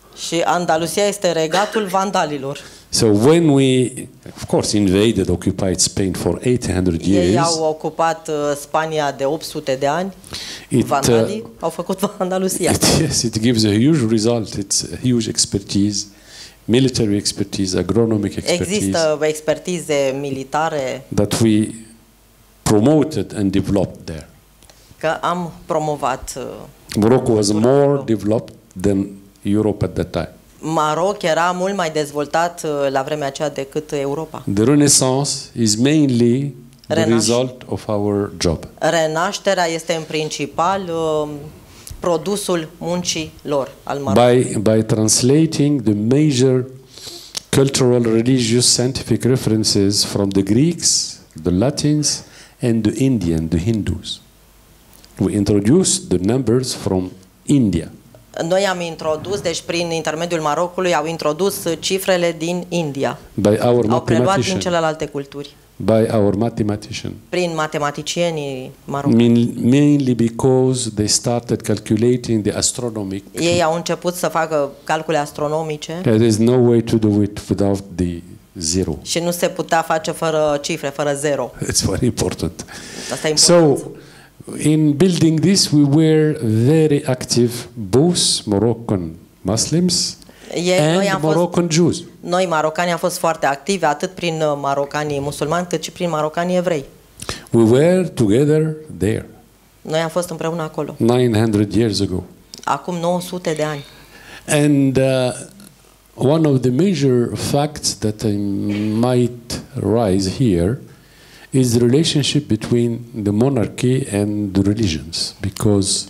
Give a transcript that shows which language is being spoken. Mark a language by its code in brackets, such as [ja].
[ro] Și Andalusia este regatul vandalilor. [en] So when we, of course, invaded, occupied Spain for 800 years. [ro] Ei au ocupat Spania de 800 de ani. Vandalii au făcut Andalusia. [en] It gives a huge result. It's a huge expertise, military expertise, agronomic expertise. [ro] Există expertize militare. [en] That we promoted and developed there. [ro] Că am promovat. [en] Morocco was more developed than Europe at that time. [ro] Maroc era mult mai dezvoltat la vremea aceea decât Europa. [en] The Renaissance is mainly the result of our job. [ro] Renașterea este în principal produsul muncii lor al Maroc. [en] By translating the major cultural, religious, scientific references from the Greeks, the Latins and the Indian, the Hindus. We introduce the numbers from India. [ro] Noi am introdus, deci prin intermediul Marocului, au introdus cifrele din India. [en] By our mathematician. [ro] Au preluat din celelalte culturi. [en] By our mathematician. [ro] Prin matematicienii marocani. [en] Mainly because they started calculating the astronomic. [ro] Ei au început să facă calcule astronomice. [en] There is no way to do it without the zero. [ro] Și nu se putea face fără cifre, fără zero. [en] It's very important. [ro] Asta e important. [en] So, in building this, we were very active, both Moroccan Muslims and Moroccan Jews. [ro] Noi, marocanii, am fost foarte active, atât prin marocanii musulmani, cât și prin marocanii evrei. [en] We were together there. [ro] Noi am fost împreună acolo. [en] 900 years ago. [ro] Acum 900 de ani. [en] And one of the major facts that I might rise here is the relationship between the monarchy and the religions, because